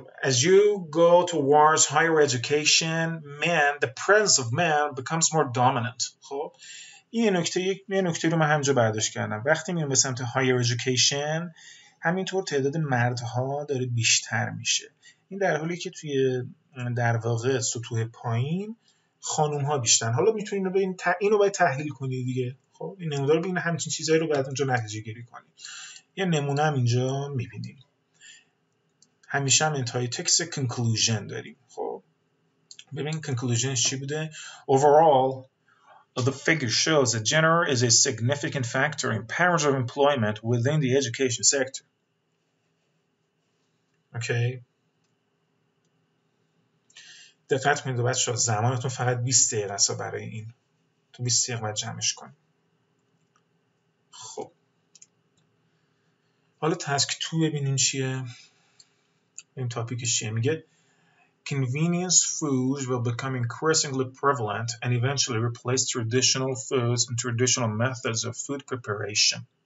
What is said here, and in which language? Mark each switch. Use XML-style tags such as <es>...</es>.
<en>as you go towards higher education men the presence of men becomes more dominant.</en> <fa>خب این نکته رو من همجا برداشت کردم. وقتی میام به سمت higher education همینطور تعداد مردها داره بیشتر میشه، این در حالی که توی در واقع سطوح پایین خانوم ها بیشتر. حالا میتونین اینو باید تحلیل کنی دیگه. خب این نمودار رو ببین، همچین چیزایی رو بعد اونجا نتیجه گیری کنی. یه نمونه هم اینجا میبینیم، همیشه هم انتهای تکست conclusion داریم. خب ببین conclusionش چی بوده.</fa> <en>Overall the figure shows that gender is a significant factor in patterns of employment within the education sector. Okay.</en> <fa>دقت کنید بچه‌ها، زمانتون فقط 20 دقیقه است برای این، تو 20 دقیقه باید جمعش کنید. خب حالا تسک تو ببینین چیه، این تاپیکش چیه. میگه</fa> <en>convenience foods will become increasingly prevalent and eventually replace traditional foods and traditional methods of food preparation.</en>